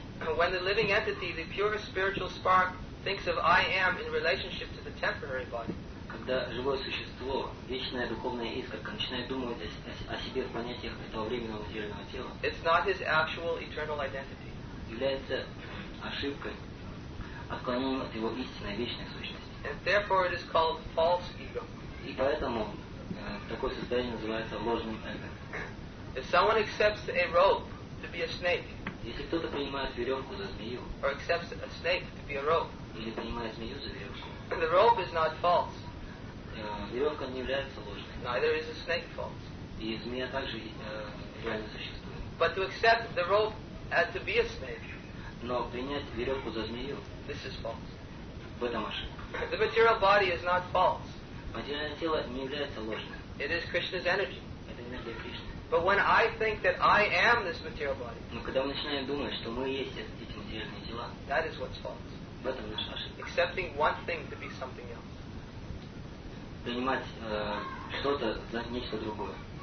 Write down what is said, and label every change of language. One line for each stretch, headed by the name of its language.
English: When the living entity, the pure spiritual spark, thinks of I am in relationship to the temporary body.
Russian: когда живое существо, вечная духовная искорка, начинает думать о себе в понятиях этого временного материального тела,
English: it's not his actual eternal identity.
Russian: Является ошибкой, отклонением от его истинной вечной сущности.
English: And therefore it is called false ego.
Russian: И поэтому такое состояние называется ложным эго.
English: If someone accepts a rope to be a snake,
Russian: если кто-то принимает веревку за змею,
English: or accepts a snake to be a rope,
Russian: или принимает змею за веревку,
English: the rope is not false.
Russian: Веревка не является ложной.
English: Neither is a snake false.
Russian: И змея также реально существует.
English: But to accept the rope as to be a snake,
Russian: но принять веревку за змею,
English: this is false.
Russian: В этом ошибка.
English: The material body is not false.
Russian: Материальное тело не является ложным.
English: It is Krishna's energy.
Russian: Это энергия Кришны.
English: But when I think that I am this material body,
Russian: но когда мы начинаем думать, что мы есть эти материальные тела,
English: that is what's false.
Russian: В этом наша ошибка.
English: Accepting one thing to be something else.
Russian: Принимать что-то за нечто другое.